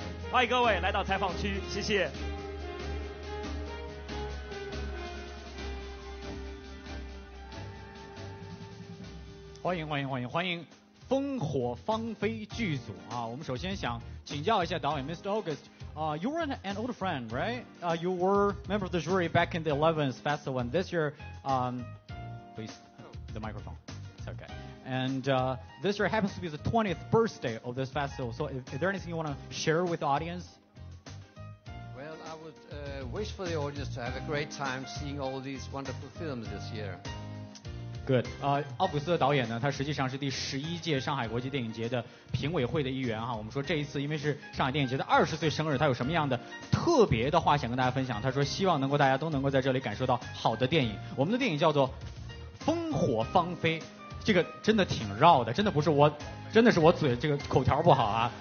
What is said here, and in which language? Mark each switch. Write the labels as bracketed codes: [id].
[zh] 欢迎各位来到采访区，谢谢。欢迎欢迎欢迎欢迎烽火芳菲剧组啊！我们首先想请教一下导演 Mr. [en] August，you were an old friend, right? You were member of the jury back in the 11th festival, and this year, please, the microphone, it's okay. And this year happens to be the 20th birthday of this festival, so is there anything you want to share with the audience? Well, I would wish for the audience to have a great time seeing all these wonderful films this year. [zh] Good， 奥古斯特导演呢，他实际上是第十一届上海国际电影节的评委会的一员哈。我们说这一次因为是上海电影节的20岁生日，他有什么样的特别的话想跟大家分享？他说希望能够大家都能够在这里感受到好的电影。我们的电影叫做《烽火芳菲》，这个真的挺绕的，真的不是我，真的是我嘴这个口条不好啊。